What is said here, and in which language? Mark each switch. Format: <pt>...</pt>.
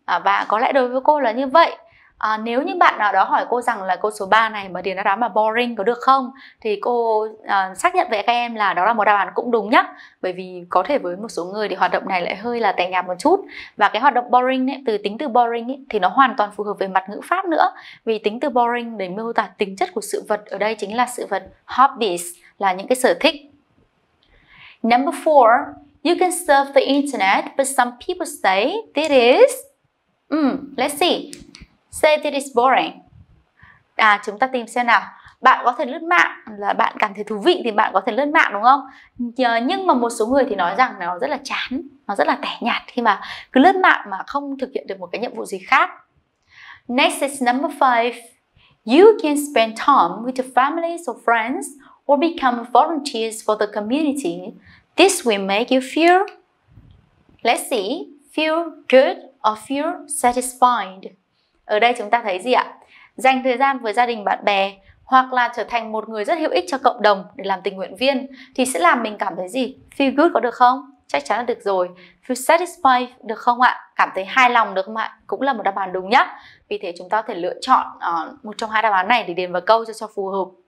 <vi>Và có lẽ đối với cô là như vậy. Nếu như bạn nào đó hỏi cô rằng là câu số 3 này mà điền ra đáp án boring có được không, thì cô xác nhận với các em là đó là một đáp án cũng đúng nhá. Bởi vì có thể với một số người thì hoạt động này lại hơi là tẻ nhạt một chút. Và cái hoạt động boring ấy, từ tính từ boring ấy, thì nó hoàn toàn phù hợp về mặt ngữ pháp nữa. Vì tính từ boring để miêu tả tính chất của sự vật ở đây chính là sự vật hobbies, là những cái sở thích.</vi> <en>Number 4, you can surf the internet, but some people say this is... let's see. Say that it's boring.</en> <vi>Chúng ta tìm xem nào. Bạn có thể lướt mạng, là bạn cảm thấy thú vị thì bạn có thể lướt mạng, đúng không? Nhưng mà một số người thì nói rằng nó rất là chán, nó rất là tẻ nhạt khi mà cứ lướt mạng mà không thực hiện được một cái nhiệm vụ gì khác.</vi> <en>Next is number 5. You can spend time with your families or friends or become volunteers for the community. This will make you feel, let's see, feel good or feel satisfied.</en> <vi>Ở đây chúng ta thấy gì ạ? Dành thời gian với gia đình bạn bè, hoặc là trở thành một người rất hữu ích cho cộng đồng để làm tình nguyện viên, thì sẽ làm mình cảm thấy gì?</vi> <en>Feel good</en> <vi>có được không? Chắc chắn là được rồi.</vi> <en>Feel satisfied</en> <vi>được không ạ? Cảm thấy hài lòng được không ạ? Cũng là một đáp án đúng nhá. Vì thế chúng ta có thể lựa chọn một trong hai đáp án này để điền vào câu cho phù hợp.</vi>